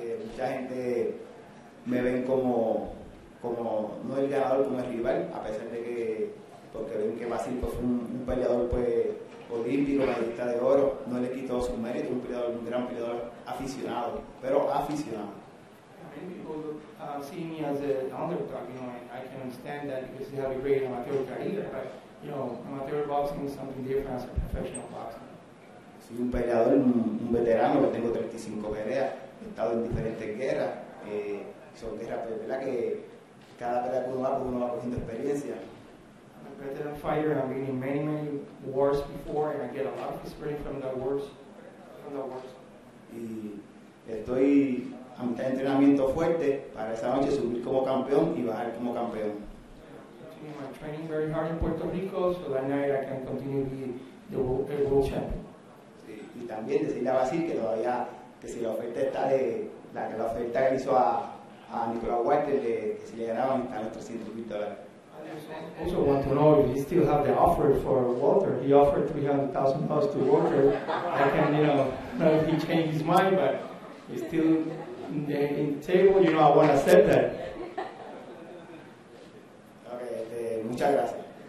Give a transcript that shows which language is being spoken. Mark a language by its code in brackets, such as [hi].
[es] Mucha gente me ven como no el ganador, como el rival, a pesar de que, porque ven que Vasyl fue un peleador pues olímpico, medallista de oro, no le quitó su mérito, un gran peleador aficionado, pero aficionado. [en] Many people see me as an underdog, you know, I can understand that because they have a great amateur career, but you know, amateur boxing is something different as professional boxing. [es] Soy un peleador, un veterano, que tengo 35 peleas, he estado en diferentes guerras, son guerras, pero verdad que cada pelea que uno va cogiendo experiencia. [en] I'm a veteran fighter, I've been in many, many wars before, and I get a lot of experience from the wars. [es] Y estoy a mitad de entrenamiento fuerte para esa noche subir como campeón y bajar como campeón. [en] Continue my training very hard in Puerto Rico, so that night I can continue to be the world champion. [es] Y también decirle a Vasyl que todavía, que si la oferta está de, la que la oferta que hizo a Nicolás Walter, de, que si le ganaban, están los $300,000. [en] I also want to know if you still have the offer for Walter. He offered $300,000 to Walter. I can, you know, if he changed his mind, but he's still in the table. You know, I want to accept that. [es] Okay, muchas gracias.